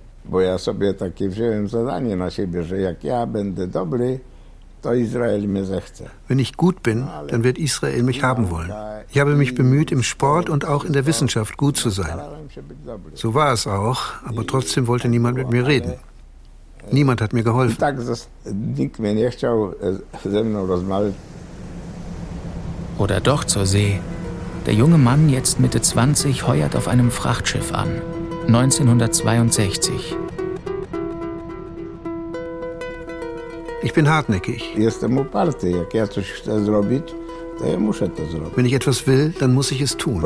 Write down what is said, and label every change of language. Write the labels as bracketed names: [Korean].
[Polish] Bo ja sobie takie wziąłem zadanie na siebie, że jak ja będę dobry, to Israel mnie zechce. [German] Wenn ich gut bin, dann wird Israel mich haben wollen. Ich habe mich bemüht, im Sport und auch in der Wissenschaft gut zu sein. So war es auch, aber trotzdem wollte niemand mit mir reden. Niemand hat mir geholfen. [Polish] Nikt mnie nie chciał ze mną rozmawiać. [German] Oder doch zur See. Der junge Mann, jetzt Mitte 20, heuert auf einem Frachtschiff an. 1962. Ich bin hartnäckig. Wenn ich etwas will, dann muss ich es tun.